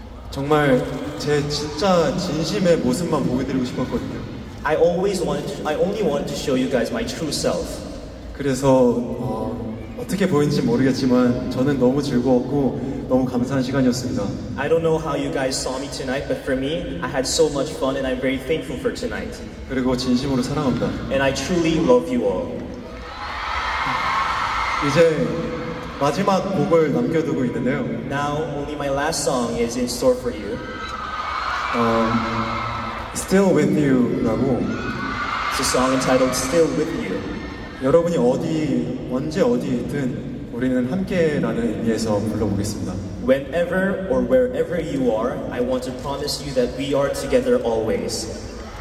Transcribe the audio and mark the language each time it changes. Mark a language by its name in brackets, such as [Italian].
[Korean] 정말 제 진짜 진심의 모습만 보여드리고 싶었거든요. [English] I only wanted to show you guys my true self. [Korean] 그래서 어떻게 보이는지 모르겠지만 저는 너무 즐거웠고 너무 감사한 시간이었습니다. [English] I don't know how you guys saw me tonight, but for me, I had so much fun and I'm very thankful for tonight. [Korean] 그리고 진심으로 사랑합니다. [English] And I truly love you all. [Korean] 이제 마지막 곡을 남겨두고 있는데요. [English] Now only my last song is in store for you. [Korean] Still with you 라고. [English] It's a song entitled Still with you. [Korean] 여러분이 어디 언제 어디에 있든 우리는 함께라는 의미에서 불러보겠습니다. [English] Whenever or wherever you are, I want to promise you that we are together always.